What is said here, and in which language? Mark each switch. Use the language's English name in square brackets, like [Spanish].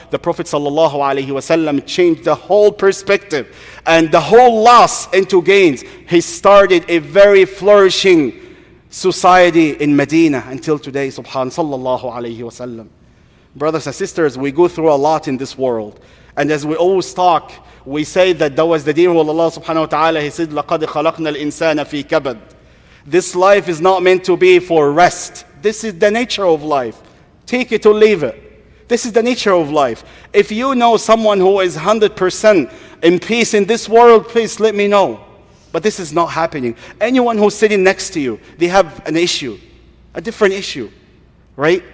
[English] The Prophet sallallahu alayhi wa sallam changed the whole perspective and the whole loss into gains. He started a very flourishing society in Medina until today, subhanahu sallallahu alayhi wa sallam. Brothers and sisters, we go through a lot in this world. And as we always talk, we say that that was the deen of Allah subhanahu wa ta'ala. He said, [Arabic] لَقَدْ خَلَقْنَا الْإِنسَانَ فِي كَبَدْ. [English] This life is not meant to be for rest. This is the nature of life. Take it or leave it. This is the nature of life. If you know someone who is 100% in peace in this world, please let me know. But this is not happening. Anyone who's sitting next to you, they have an issue, a different issue, right?